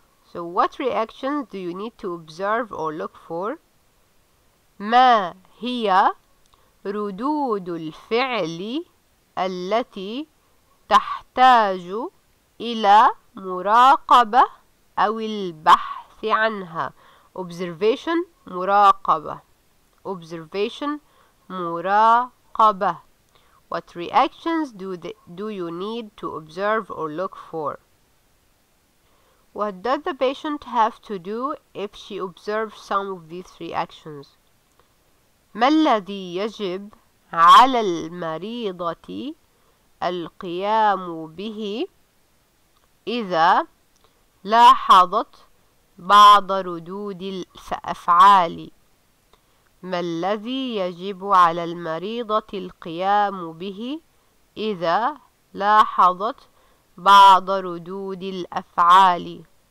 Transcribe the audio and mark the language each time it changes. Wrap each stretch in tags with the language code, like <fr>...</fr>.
<en>So what reactions do you need to observe or look for?</en> <ar>ما هي ردود الفعل التي تحتاج إلى مراقبة أو البحث عنها؟ Observation مراقبة. Observation مراقبة.</ar> <en>What reactions do you need to observe or look for? What does the patient have to do if she observes some of these reactions?</en> <ar>ما الذي يجب على المريضة القيام به إذا لاحظت بعض ردود الأفعال؟ ما الذي يجب على المريضة القيام به إذا لاحظت بعض ردود الأفعال؟</ar>